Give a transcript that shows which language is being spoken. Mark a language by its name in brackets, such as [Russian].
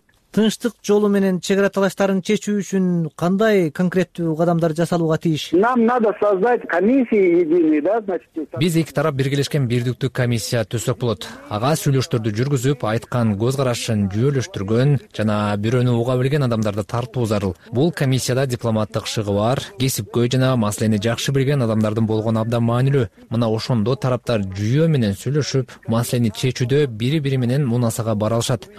[Kyrgyz] Тынчтык жолу менен чек ара талаштарын чечүү үчүн кандай конкреттүү кадамдар жасалууга тийиш? [Russian] Нам надо создать комиссию единую, да, значит. [Kyrgyz] Биз эки тарап биргелешкен бирдиктүү комиссия түзсөк болот. Ага сүйлөштөрдү жүргүзүп, айткан көз карашын жүйөлөштүргөн жана бирөөнү уга билген адамдарды тартуу зарыл. Бул комиссияда дипломаттык шыгы бар, кесипкөй жана маселени жакшы билген адамдардын болгону абдан маанилүү. Мына ошондо тараптар жүйө менен сүйлөшүп, маселени чечүүдө бири бири менен мунасага бара алышат.